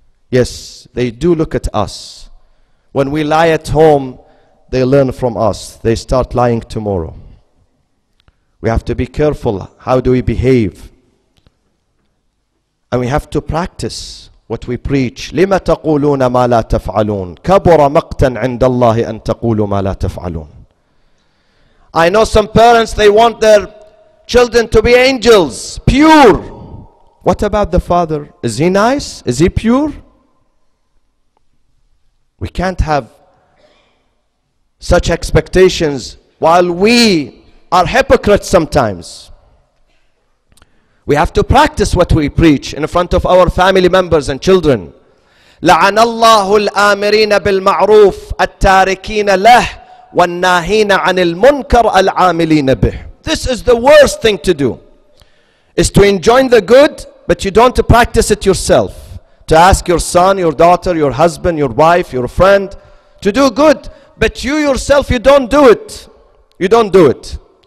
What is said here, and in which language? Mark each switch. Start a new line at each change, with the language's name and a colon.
English: Yes, they do look at us. When we lie at home, they learn from us. They start lying tomorrow. We have to be careful. How do we behave? And we have to practice what we preach.
Arabic: لِمَ تَقُولُونَ مَا لَا تَفْعَلُونَ كَبُرَ مَقْتًا عِنْدَ اللَّهِ أَن تَقُولُوا مَا لَا تَفْعَلُونَ.
English: I know some parents, they want their children to be angels, pure. What about the father? Is he nice? Is he pure? We can't have such expectations while we are hypocrites sometimes. We have to practice what we preach in front of our family members and children.
Arabic: لعن الله الآمرين بالمعروف التاركين له والناهين عن المنكر العاملين به.
English: This is the worst thing to do, is to enjoin the good, but you don't practice it yourself. To ask your son, your daughter, your husband, your wife, your friend to do good, but you yourself, you don't do it. You don't do it.